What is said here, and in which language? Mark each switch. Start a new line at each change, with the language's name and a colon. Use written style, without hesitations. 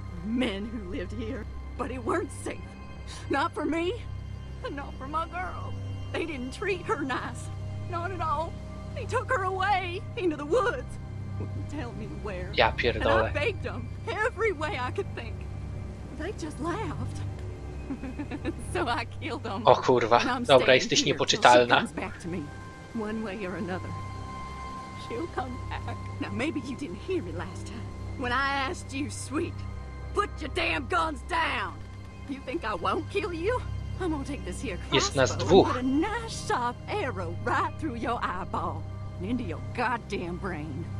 English: Men who lived here. But it weren't safe. Not for me. Not for my girl. They didn't treat her nice. Not at all. They took her away. Into the woods. Wouldn't tell me where.
Polish: Ja pierdolę.
English: And I begged them every way I could think. They just laughed. So I killed them.
Polish: O kurwa, dobra, jesteś niepoczytalna.
English: One way or another. She'll come back. Now maybe you didn't hear me last time. When I asked you, sweet, put your damn guns down. You think I won't kill you? I'm gonna take this here crossbow and put a nice sharp arrow right through your eyeball and into your goddamn brain.